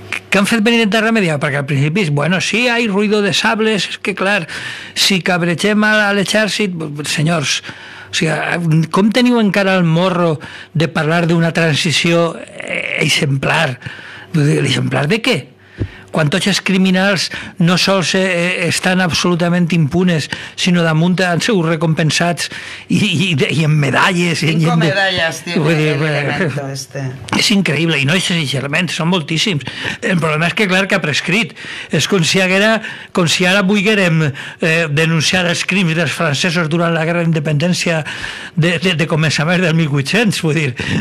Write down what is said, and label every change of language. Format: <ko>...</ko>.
<ca>Què han fet venir de remediar? Perquè al principi, bueno, sí, hi ha</ca> <es>ruido de sables,</es> <ca>és que clar, si cabregem a l'exèrcit, senyors, o sigui, com teniu encara el morro de parlar d'una transició exemplar? L'exemplar de què? Quan tots els criminals no sols estan absolutament impunes, sinó damunt han sigut recompensats i en medalles.</ca> <es>Cinco</es> <ca>medalles</ca> <es>tiene el elemento este.</es> <ca>És increïble, i no és exagerament, són moltíssims. El problema és que, clar, que ha prescrit. És com si, haguera, com si ara volguérem denunciar els crims dels francesos durant la guerra d'independència de començament del 1800, vull dir...</ca>